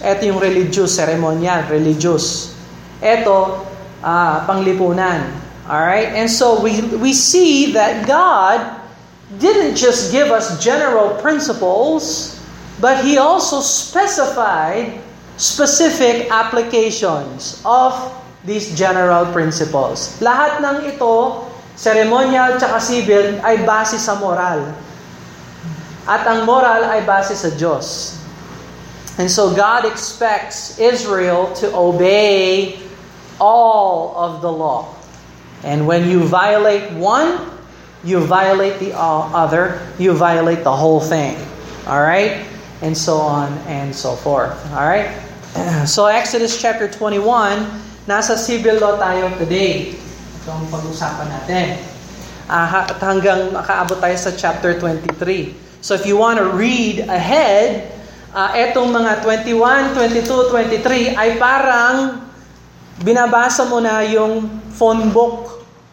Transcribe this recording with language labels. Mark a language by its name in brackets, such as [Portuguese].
[Filipino] Ito yung religious, ceremonial, religious. Ito, panglipunan. [English] Alright? And so we see that God didn't just give us general principles, but He also specified specific applications of these general principles. [Filipino] Lahat ng ito, ceremonial tsaka civil, ay base sa moral. At ang moral ay base sa Diyos. [English] And so God expects Israel to obey all of the law. And when you violate one, you violate the other, you violate the whole thing. All right? And so on and so forth. All right? So Exodus chapter 21, [Filipino] nasa civil law tayo today. Ito ang pag-usapan natin. At hanggang makaabot tayo sa chapter 23. [English] So if you want to read ahead, [Filipino] etong mga 21, 22, 23 ay parang binabasa mo na yung phone book.